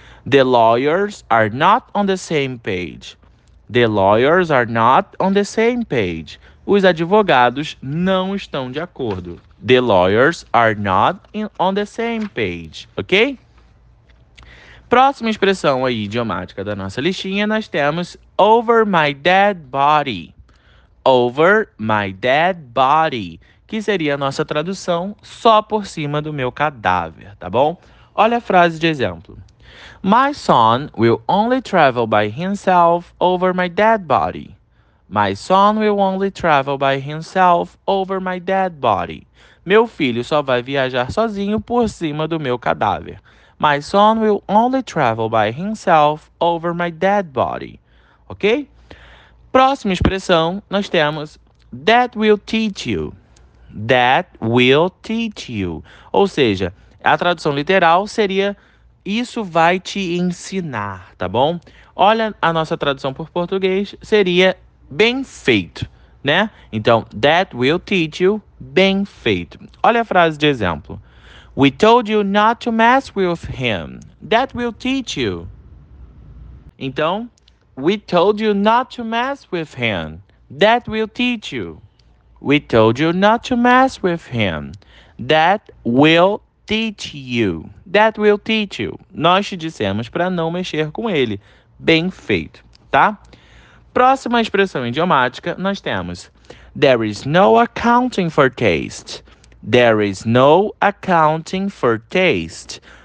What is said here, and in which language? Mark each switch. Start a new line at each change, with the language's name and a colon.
English: The lawyers are not on the same page. The lawyers are not on the same page.
Portuguese: Os advogados não estão de acordo.
English: The lawyers are not on the same page, ok?
Portuguese: Próxima expressão aí, idiomática da nossa listinha, nós temos
English: over my dead body. Over my dead body,
Portuguese: que seria a nossa tradução só por cima do meu cadáver, tá bom? Olha a frase de exemplo.
English: My son will only travel by himself over my dead body. My son will only travel by himself over my dead body.
Portuguese: Meu filho só vai viajar sozinho por cima do meu cadáver.
English: My son will only travel by himself over my dead body. Ok?
Portuguese: Próxima expressão, nós temos
English: that will teach you. That will teach you.
Portuguese: Ou seja, a tradução literal seria isso vai te ensinar, tá bom? Olha a nossa tradução por português, seria bem feito, né? Então,
English: that will teach you,
Portuguese: bem feito. Olha a frase de exemplo.
English: We told you not to mess with him. That will teach you. Então, we told you not to mess with him. That will teach you. We told you not to mess with him. That will teach you. That will teach you.
Portuguese: Nós te dissemos para não mexer com ele. Bem feito, tá? Próxima expressão idiomática, nós temos
English: there is no accounting for taste. There is no accounting for taste.